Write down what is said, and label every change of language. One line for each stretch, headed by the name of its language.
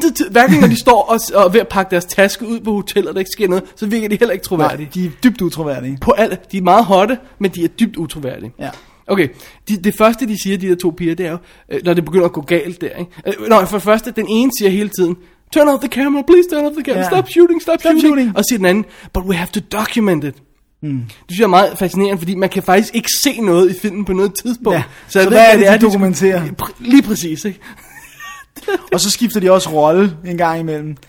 Danish: Hverken når de står og ved at pakke deres taske ud på hotellet, der ikke sker noget, så virker de heller ikke troværdige. Nej, de er dybt utroværdige. De er meget hotte, men de er dybt utroværdige. Ja. Okay, det første, de siger, de der to piger, det er når det begynder at gå galt der, ikke? Nej, for det første, den ene siger hele tiden,
English: turn off the camera, please turn off the camera, yeah. stop shooting.
Danish: Og siger den anden,
English: but we have to document it.
Danish: Det synes jeg er meget fascinerende, fordi man kan faktisk ikke se noget i filmen på noget tidspunkt. Ja. Så hvad er det, de dokumenterer? Lige præcis, ikke? Og så skifter de også rolle en gang imellem.